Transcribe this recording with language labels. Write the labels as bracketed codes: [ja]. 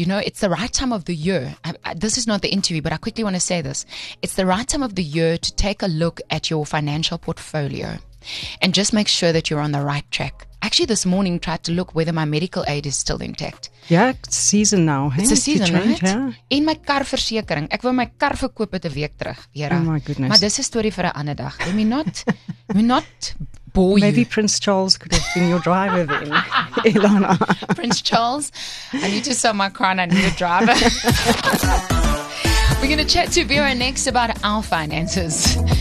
[en] You know, it's the right time of the year. This is not the interview, but I quickly want to say this. It's the right time of the year to take a look at your financial portfolio and just make sure that you're on the right track. Actually, this morning, tried to look whether my medical aid is still intact. Yeah, it's season now. Hey? It's a season, change, right? [af] Yeah. En my kar versekering. Ek wil my kar verkoop het 'n week terug, Vera. [en] Oh my goodness. [af] Maar dis 'n storie vir 'n ander dag. [en] Let me not bore you. Maybe Prince Charles could have been your driver then, Ilana. Prince Charles, I need to sell my car and I need a driver. We're going to chat to Vera next about our finances.